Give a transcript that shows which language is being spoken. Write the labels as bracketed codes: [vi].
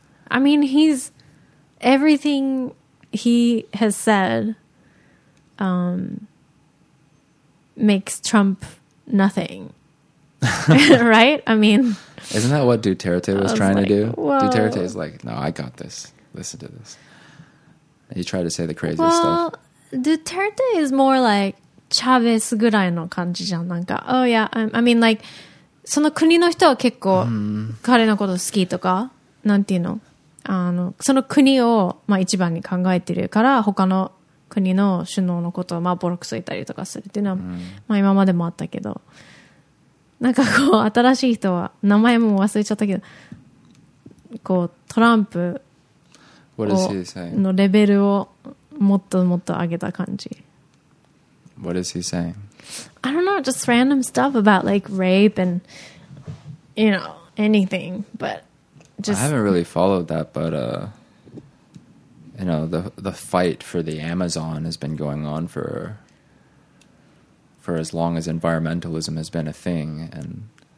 [en] I mean, everything he has said makes Trump nothing, right? I mean, isn't that what Duterte was trying to do? Well, Duterte is like, no, I got this. Listen to this. And he tried to say the craziest stuff. Duterte is more like Chavez [ja] ぐらいの感じじゃん。なんか、 [en] oh yeah, I mean like, [ja] その国の人は結構彼のこと好きとか、なんていうの、あの、その国をまあ一番に考えてるから、他の国の首脳のことをまあボロクソ言ったりとかするっていうのは、まあ今までもあったけど、なんかこう新しい人は、名前も忘れちゃったけど、こうトランプのレベルをもっともっと上げた感じ。 [en] What is he saying? I don't know, just random stuff about like rape and, you know, anything, but just... I haven't really followed that, but, you know, the fight for the Amazon has been going on for as long as environmentalism has been a thing, and...